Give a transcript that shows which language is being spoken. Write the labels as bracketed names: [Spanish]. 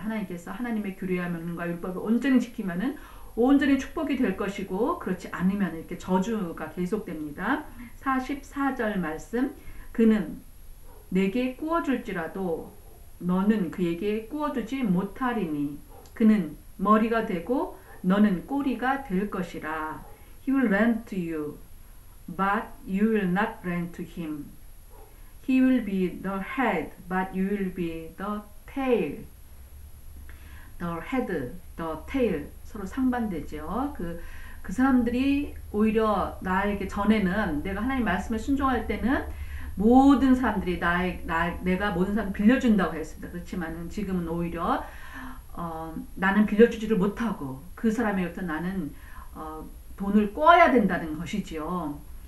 [Korean] 하나님께서 하나님의 규례와 명령과 율법을 온전히 지키면은 온전히 축복이 될 것이고 그렇지 않으면 이렇게 저주가 계속됩니다. 44절 말씀, 그는 내게 꾸어줄지라도 너는 그에게 꾸어주지 못하리니 그는 머리가 되고 너는 꼬리가 될 것이라. [English] He will lend to you, but you will not lend to him. He will be the head, but you will be the tail. The head, the tail. [Korean] 서로 상반되죠. 그 사람들이 오히려 나에게 전에는 내가 하나님 말씀에 순종할 때는 모든 사람들이 내가 모든 사람 빌려준다고 했습니다. 그렇지만은 지금은 오히려 나는 빌려주지를 못하고 그 사람에게부터 나는 돈을 꿔야 된다는 것이지요.